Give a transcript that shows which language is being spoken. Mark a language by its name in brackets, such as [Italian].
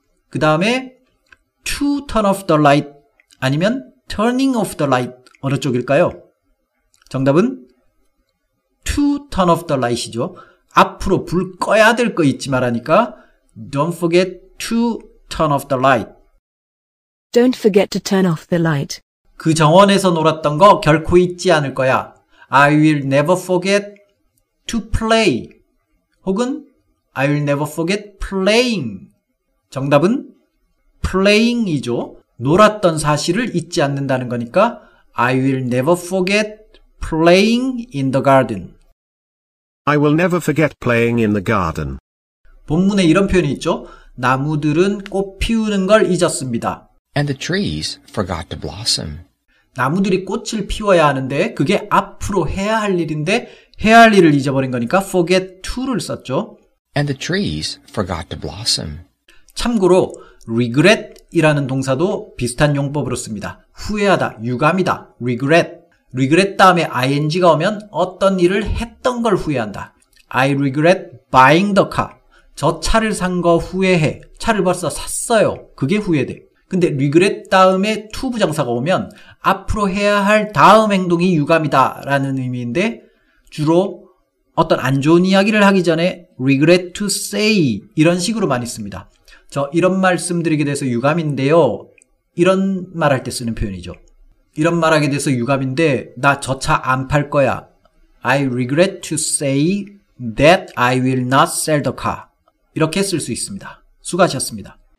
[Korean] 그 다음에 [English] to turn off the light [Korean] 아니면 [English] turning off the light [Korean] 어느 쪽일까요? 정답은 [English] to turn off the light [Korean] 이죠. 앞으로 불 꺼야 될 거 잊지 마라니까 [English] Don't forget to turn off the light. Don't forget to turn off the light. [Korean] 그 정원에서 놀았던 거 결코 잊지 않을 거야. [English] I will never forget to play. 혹은 I will never forget playing. [Korean] 정답은 playing이죠. 놀았던 사실을 잊지 않는다는 거니까 [English] I will never forget playing in the garden. I will never forget playing in the garden. [Korean] 본문에 이런 표현이 있죠. 나무들은 꽃 피우는 걸 잊었습니다. [English] And the trees forgot to blossom. [Korean] 나무들이 꽃을 피워야 하는데 그게 앞으로 해야 할 일인데 해야 할 일을 잊어버린 거니까 forget to를 썼죠. [English] And the trees forgot to blossom. [Korean] 참고로 regret이라는 동사도 비슷한 용법으로 씁니다. 후회하다, 유감이다, regret. regret 다음에 ing가 오면 어떤 일을 했던 걸 후회한다. [English] I regret buying the car. [Korean] 저 차를 산 거 후회해. 차를 벌써 샀어요. 그게 후회돼. 근데 regret 다음에 to 부정사가 오면 앞으로 해야 할 다음 행동이 유감이다 라는 의미인데 주로 어떤 안 좋은 이야기를 하기 전에 [English] regret to say [Korean] 이런 식으로 많이 씁니다. 저 이런 말씀 드리게 돼서 유감인데요. 이런 말할 때 쓰는 표현이죠. 이런 말하게 돼서 유감인데 나 저 차 안 팔 거야. [English] I regret to say that I will not sell the car. [Korean] 이렇게 쓸 수 있습니다. 수고하셨습니다.